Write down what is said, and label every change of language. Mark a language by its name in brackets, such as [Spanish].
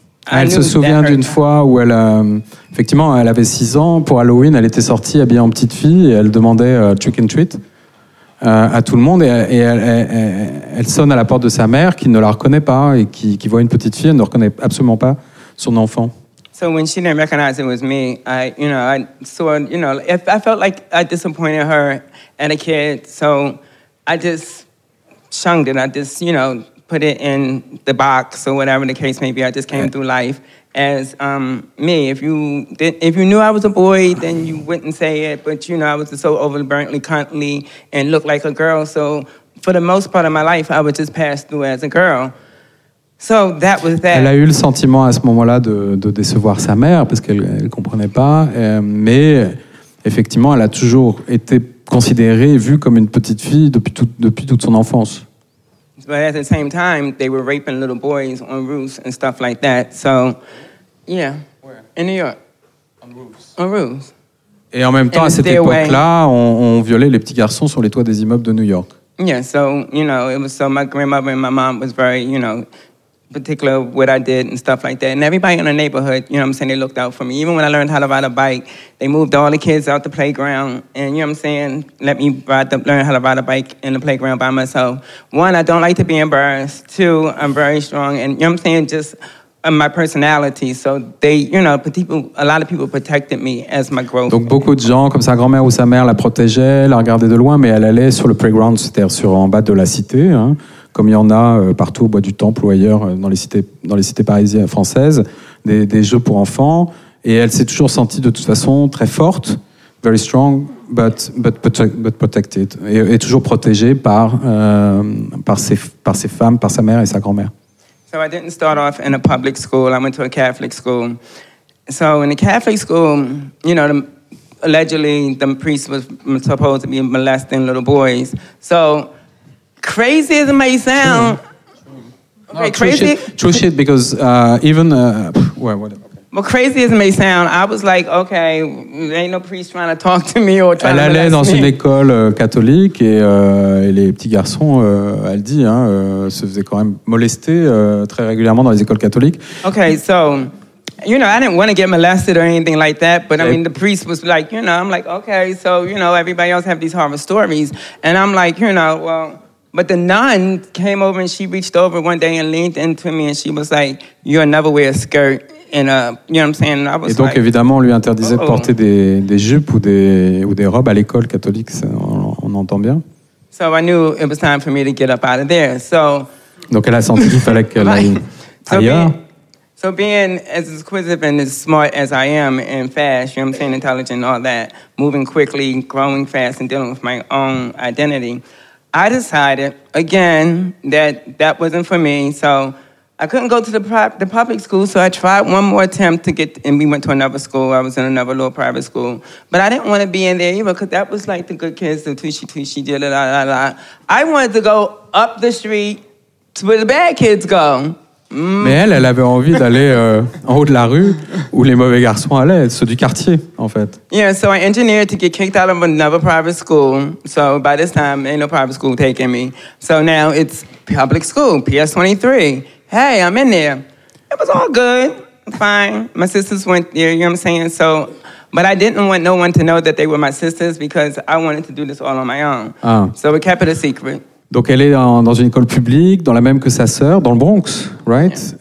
[French] elle se souvient d'une fois où elle, effectivement, elle avait 6 ans. Pour Halloween, elle était sortie habillée en petite fille et elle demandait [English] trick and treat [French] à tout le monde. Et elle sonne à la porte de sa mère qui ne la reconnaît pas et qui voit une petite fille. Elle ne reconnaît absolument pas son enfant. [English] So when she didn't recognize it was me, I felt like I disappointed her and a kid. So I just shunned it. Put it in the box or whatever the case may be. I just came through life as me. If you knew I was a boy, then you wouldn't say it. But, you know, I was so overbearingly cuddly and looked like a girl. So for the most part of my life, I would just pass through as a girl. So that was that. [French] Elle a eu le sentiment à ce moment-là de décevoir sa mère parce qu'elle ne comprenait pas. Mais effectivement, elle a toujours été considérée et vue comme une petite fille depuis toute son enfance. [English] But at the same time, they were raping little boys on roofs and stuff like that. So, yeah. Where? In New York. On roofs. [French] Et en même temps, à cette époque-là, on violait les petits garçons sur les toits des immeubles de New York. [English] Yeah, so, you know, it was so my grandmother and my mom was very, you know, particular what I did and stuff like that. And everybody in the neighborhood, you know what I'm saying, they looked out for me. Even when I learned how to ride a bike, they moved all the kids out the playground and, you know what I'm saying, let me learn how to ride a bike in the playground by myself. One, I don't like to be embarrassed. Two, I'm very strong. And, you know what I'm saying, just my personality. So they, you know, a lot of people protected me as my growth. [French] Donc beaucoup de gens, comme sa grand-mère ou sa mère, la protégeaient, la regardaient de loin, mais elle allait sur le playground, c'est-à-dire sur en bas de la cité, hein. Comme il y en a partout au Bois du Temple ou ailleurs dans les cités parisiennes françaises, des jeux pour enfants. Et elle s'est toujours sentie de toute façon très forte, [English] very strong, but protected. [French] Et toujours protégée par ses femmes, par sa mère et sa grand-mère. [English] So I didn't start off in a public school. I went to a Catholic school. So in a Catholic school, you know, allegedly the priest was supposed to be molesting little boys. So crazy as it may sound. True shit, because even... Well, crazy as it may sound, I was like, okay, there ain't no priest trying to talk to me or trying to molest me. [French] Elle allait dans une école catholique et les petits garçons, elle dit, se faisaient quand même molester très régulièrement dans les écoles catholiques. [English] Okay, so, you know, I didn't want to get molested or anything like that, but I mean, the priest was like, you know, I'm like, okay, so, you know, everybody else have these horror stories. And I'm like, you know, well... But the nun came over and she reached over one day and leaned into me and she was like, you'll never wear a skirt. And, you know what I'm saying? And I was [French] et donc, [English] like, [French] évidemment, on lui interdisait de porter des jupes ou des robes à l'école catholique, on entend bien. [English] So I knew it was time for me to get up out of there. So, [French] donc elle a senti qu'il fallait qu'elle aille ailleurs. [English] So being as inquisitive and as smart as I am and fast, you know what I'm saying, intelligent and all that, moving quickly, growing fast and dealing with my own identity, I decided, again, that wasn't for me, so I couldn't go to the public school, so I tried one more attempt to get, and we went to another school. I was in another little private school. But I didn't want to be in there, because that was like the good kids, the tushy-tushy, da la la la. I wanted to go up the street to where the bad kids go. [French] Mais elle avait envie d'aller en haut de la rue où les mauvais garçons allaient, ceux du quartier, en fait. [English] Yeah, so I engineered to get kicked out of another private school. So by this time, ain't no private school taking me. So now it's public school, PS23. Hey, I'm in there. It was all good, fine. My sisters went there, you know what I'm saying? So, but I didn't want no one to know that they were my sisters because I wanted to do this all on my own. Ah. So we kept it a secret. [French] Donc elle est dans une école publique, dans la même que sa sœur, dans le Bronx, right?